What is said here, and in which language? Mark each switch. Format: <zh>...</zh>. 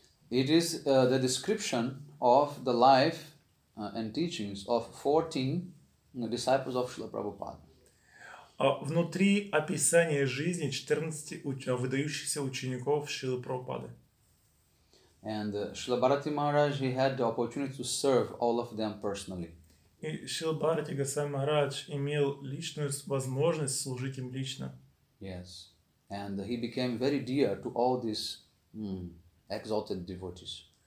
<en>It is the description of the life and teachings of 14 disciples of Śrīla Prabhupāda.</en> <ru>Внутри описание жизни 14 выдающихся учеников Шрилы Прабхупады.</ru> <en>And Śrīla Bhārati Mahārāj, he had the opportunity to serve all of them personally.</en> <ru>И Śrīla Bhārati Gosvāmī Mahārāj имел личную возможность служить им лично.</ru> <en>Yes. And he became very dear to all these exalted devotees.</en>